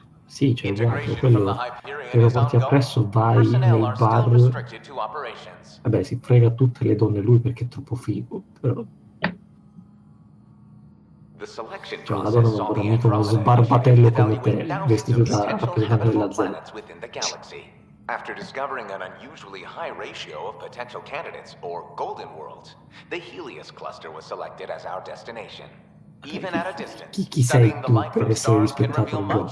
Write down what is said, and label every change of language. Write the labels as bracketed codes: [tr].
[it] Sì, cioè, guarda, quello là, se lo porti appresso, vai nel bar, vabbè, si frega tutte le donne lui perché è troppo figo, però... Cioè, la donna va veramente uno sbarbatello come te, vestito da rappresentante della zona. [en] After discovering an unusually high ratio of potential candidates, or Golden Worlds, the Helios Cluster was selected as our destination. Even at a distance, [it] chi sei tu per essere rispettato al gioco?